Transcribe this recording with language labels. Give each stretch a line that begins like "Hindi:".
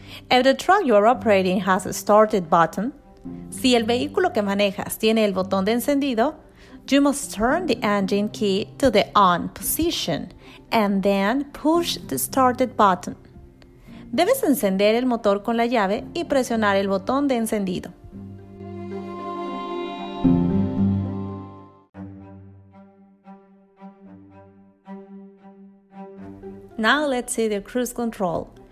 English: If the truck you are operating has a started button,
Spanish: si el vehículo que manejas tiene el botón de encendido,
English: you must turn the engine key to the on position and then push the started button.
Spanish: Debes encender el motor con la llave y presionar el botón de encendido.
English: Now let's see the cruise control.